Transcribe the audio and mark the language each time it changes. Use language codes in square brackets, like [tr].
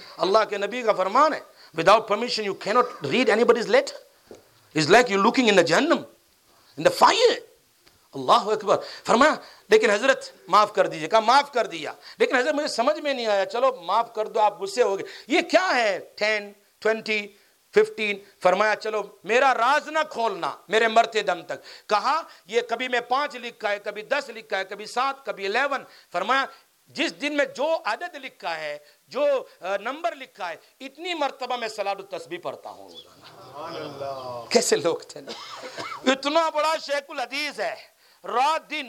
[ur] اللہ کے نبی کا فرمان ہے، [en] Without permission you can't read anybody's letter, is like you looking in the جہنم in the fire. اللہ اکبر. [ur] فرمایا لیکن حضرت معاف کر دیجئے. کہا معاف کر دیا، لیکن حضرت مجھے سمجھ میں نہیں آیا. چلو معاف کر دو، آپ غصے ہو گئے، یہ کیا ہے 10, 20, 15. فرمایا چلو میرا راز نہ کھولنا میرے مرتے دم تک. کہا یہ کبھی میں 5 لکھا ہے، کبھی 10 لکھا ہے، کبھی 7، کبھی 11. فرمایا جس دن میں جو عدد لکھا ہے، جو نمبر لکھا ہے، اتنی مرتبہ میں صلاۃ التسبیح پڑھتا ہوں. کیسے لوگ تھے نا، اتنا بڑا شیخ الحدیث ہے، رات دن.